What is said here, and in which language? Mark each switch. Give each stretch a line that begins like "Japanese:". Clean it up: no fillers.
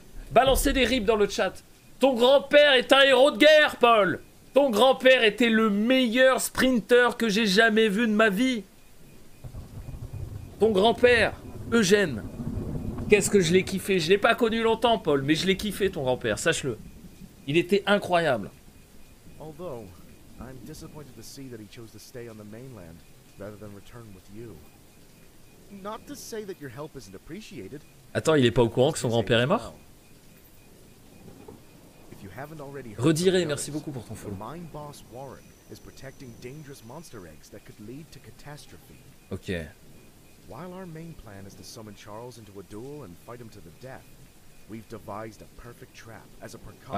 French: Balancez des rips dans le chat. Ton grand-père est un héros de guerre, Paul. Ton grand-père était le meilleur sprinter que j'ai jamais vu de ma vie. Ton grand-père, Eugène. Qu'est-ce que je l'ai kiffé. Je l'ai pas connu longtemps, Paul, mais je l'ai kiffé, ton grand-père, sache-le. Il était incroyable.
English: Although, I'm disappointed to see that he chose to stay on the mainland rather than return with you. Not to say that your help isn't appreciated.
French: Attends, il est pas au courant que son grand-père est mort?
English: If you haven't already
French: heard, redirez, merci beaucoup pour ton follow.
English: The mine boss Warren is protecting dangerous monster eggs that could lead to catastrophe. Ok. While our main plan is to summon Charles into a duel and fight him to the death, we've devised a perfect trap as a precaution.